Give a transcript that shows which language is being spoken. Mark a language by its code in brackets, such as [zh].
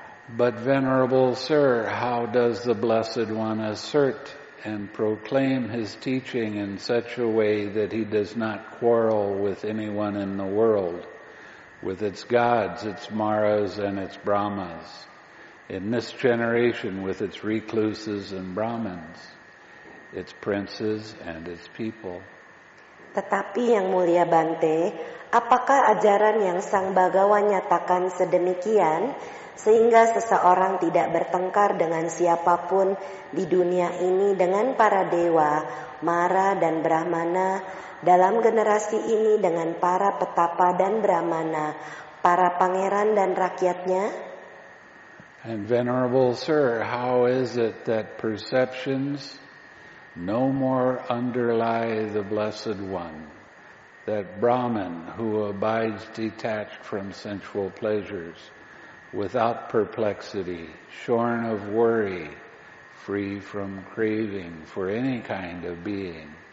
[en] But venerable sir, how does the Blessed One assert and proclaim his teaching in such a way that he does not quarrel with anyone in the world, with its gods, its maras, and its brahmas, in this generation with its recluses and brahmins, its princes and its people? [id] Tetapi Yang Mulia Bante, apakah ajaran yang Sang Bhagawa nyatakan sedemikian sehingga seseorang tidak bertengkar dengan siapapun di dunia ini dengan para dewa, mara dan brahmana, dalam generasi ini dengan para petapa dan brahmana, para pangeran dan rakyatnya? [en] And venerable sir, how is it that perceptions no more underlie the Blessed One, that Brahman who abides detached from sensual pleasures, without perplexity, shorn of worry, free from craving for any kind of being?